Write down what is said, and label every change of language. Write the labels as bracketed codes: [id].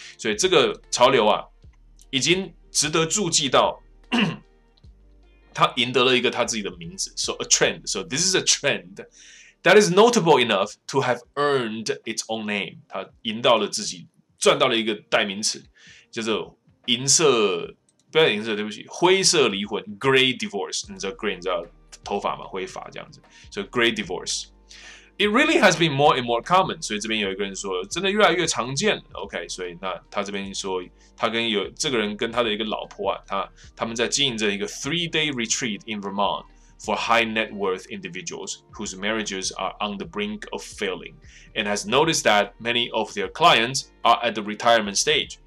[zh] 所以这个潮流啊，已经值得注记到，他赢得了一个他自己的名字 ， [en] so a trend. So this is a trend that is notable enough to have earned its own name. [zh] 他赢到了自己，赚到了一个代名词，叫做银色，不是银色，对不起，灰色离婚 （gray divorce）。你知道 gray， 你知道头发吗？灰发这样子，所以 gray divorce。 [en] It really has been more and more common. [zh] 所以这边有一个人说，真的越来越常见了。 OK， 所以那他这边说，他跟有这个人跟他的一个老婆啊，他们在经营着一个 [en] 3-day retreat in Vermont for high net worth individuals whose marriages are on the brink of failing, and has noticed that many of their clients are at the retirement stage.